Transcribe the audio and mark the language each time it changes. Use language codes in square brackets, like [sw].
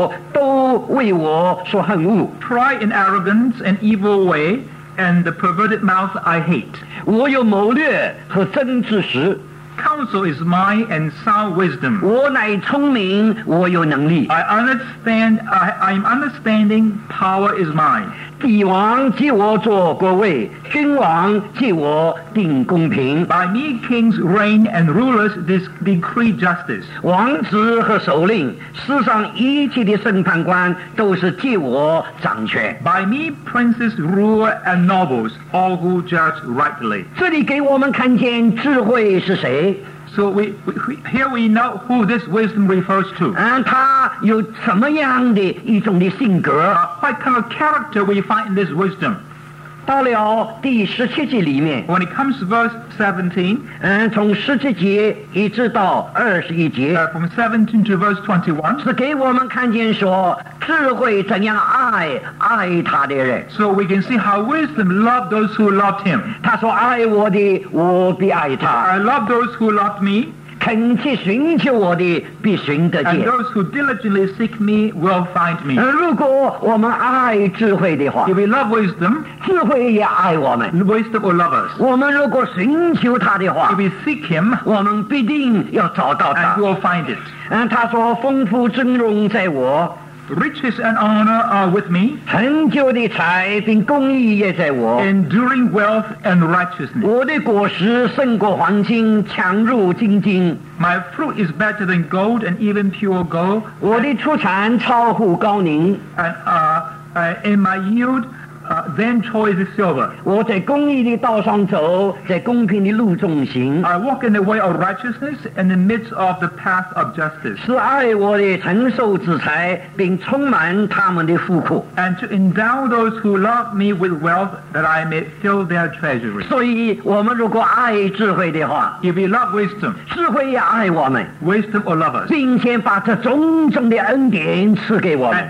[zh] 那骄傲、狂妄、并恶道、以及诡谋的口都为我所恨恶。 [en] Pride and arrogance and evil way and the perverted mouth I hate. [zh] 我有谋略和真知识。 [en] Counsel is mine and sound wisdom. [zh] 我乃聪明, 我有能力。 [en] I understand, I'm understanding, power is mine. [zh] 帝王借我做国位, 君王借我定公平。 [en] By me kings reign and rulers decree justice. [zh] 王子和首领, 世上一切的审判官, 都是借我掌权。 [en] By me princes rule and nobles, all who judge rightly. [zh] 这里给我们看见智慧是谁。 [en] So here we know who this wisdom refers to. [zh] 他有什么样的一种的性格? [en] What kind of character we find in this wisdom? [zh] 到了第十七节里面, [en] when it comes to verse 17, [zh] 从十七节一直到二十一节, [en] from 17 to verse 21, [zh] 是给我们看见说, 智慧怎样爱他的人。 [en] So we can see how wisdom loved those who loved him. [zh] 他说爱我的, 我必爱他。 [en] I love those who loved me. [zh] 肯去寻求我的, 必寻得见。 [en] And those who diligently seek me will find me. [zh] 如果我们爱智慧的话, [en] if we love wisdom, [zh] 智慧也爱我们。 [en] Wisdom will love us. [zh] 我们如果寻求他的话, [en] if we seek him, [zh] 我们必定要找到他。 [en] And we will find it. [zh] 他说丰富尊荣在我, [en] riches and honor are with me. [zh] 恒久的财并公义也在我, [en] enduring wealth and righteousness. [zh] 我的果实胜过黄金, 强如金金。 [en] My fruit is better than gold and even pure gold. [zh] 我的出产超乎高宁。 [en] And in my yield Then choice is silver. [zh] 我在公义的道上走，在公平的路中行。 [en] I walk in the way of righteousness in the midst of the path of justice. [zh] 使爱我的承受之财，并充满他们的富库。 [en] And to endow those who love me with wealth that I may fill their treasury. [zh] 所以我们如果爱智慧的话， [en] if we love wisdom, [zh] 智慧也爱我们。 [en] Wisdom will love us. [zh] 并且把这种种的恩典赐给我们。